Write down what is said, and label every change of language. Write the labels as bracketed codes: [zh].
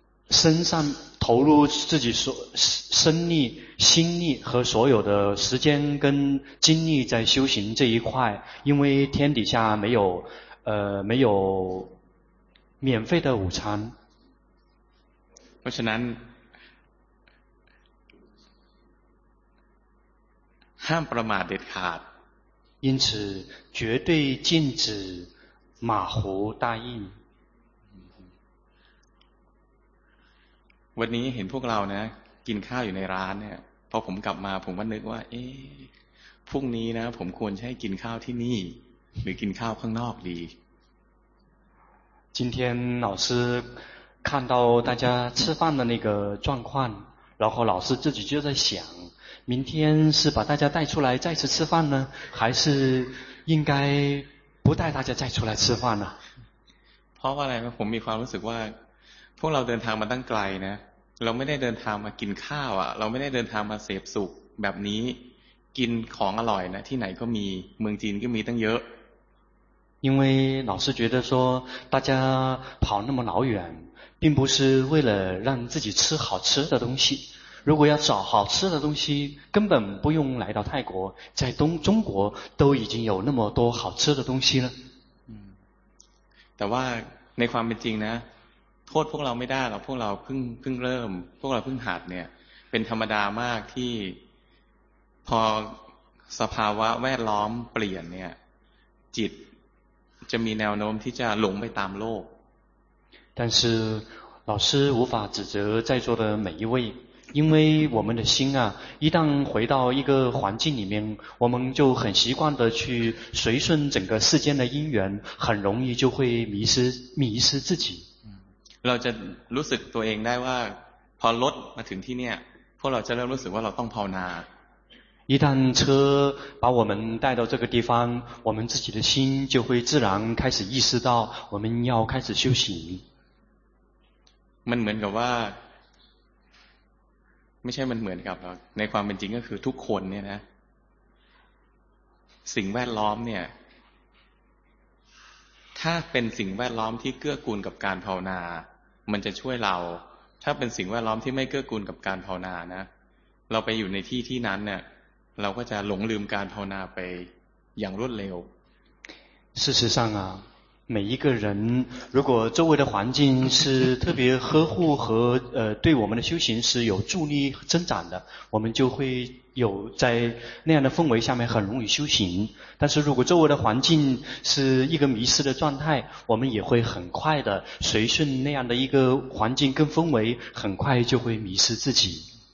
[zh] 身上投入自己所身力心力和所有的时间跟精力在修行这一块因为天底下没有免费的午餐 [th] เพราะฉะนั้นห้ามประมาทเด็ดขาด [zh] 因此绝对禁止马虎大意 [th] วันนี้เห็นพวกเรานะกินข้าวอยู่ในร้านเนี่ยพอผมกลับมาผมก็นึกว่าเอ๊ะพรุ่งนี้นะผมควรใช้กินข้าวที่นี่หรือกินข้าวข้างนอกดี [zh] 今天老师看到大家吃饭的那个状况然后老师自己就在想明天是把大家带出来再次吃饭呢还是应该不带大家再出来吃饭呢 [th] เพราะว่าอะไรผมมีความรู้สึกว่าพวกเราเดินทางมาตั้งไกลนะเราไม่ได้เดินทางมากินข้าวอ่ะเราไม่ได้เดินทางมาเสพสุขแบบนี้กินของอร่อยนะที่ไหนก็มีเมืองจีนก็มีตั้งเยอะ [zh] 因为老师觉得说大家跑那么老远并不是为了让自己吃好吃的东西如果要找好吃的东西根本不用来到泰国在中国都已经有那么多好吃的东西了 [th] แต่ว่าในความเป็นจริงนะโทษพวกเราไม่ได้หรอกพวกเราเพิ่งเริ่มพวกเราเพิ่งหัดเนี่ยเป็นธรรมดามากที่พอสภาวะแวดล้อมเปลี่ยนเนี่ยจิตจะมีแนวโน้มที่จะหลงไปตามโลก [zh] 但是老师无法指责在座的每一位因为我们的心啊一旦回到一个环境里面我们就很习惯的去随顺整个世间的因缘很容易就会迷失自己 [th] เราจะรู้สึกตัวเองได้ว่าพอรถมาถึงที่เนี่ยพวกเราจะเริ่มรู้สึกว่าเราต้องภาวนา [zh] 一旦车把我们带到这个地方我们自己的心就会自然开始意识到我们要开始修行 [th] มันเหมือนกับว่าไม่ใช่มันเหมือนกับในความเป็นจริงก็คือทุกคนเนี่ยนะสิ่งแวดล้อมเนี่ยถ้าเป็นสิ่งแวดล้อมที่เกื้อกูลกับการภาวนามันจะช่วยเราถ้าเป็นสิ่งแวดล้อมที่ไม่เกื้อกูลกับการภาวนานะเราไปอยู่ในที่ที่นั้นเนี่ยเราก็จะหลงลืมการภาวนาไปอย่างรวดเร็ว [zh] 事实上啊每一个人如果周围的环境是特别呵护和对我们的修行是有助力增长的我们就会有在那样的氛围下面很容易修行但是如果周围的环境是一个迷失的状态我们也会很快的随顺那样的一个环境跟氛围很快就会迷失自己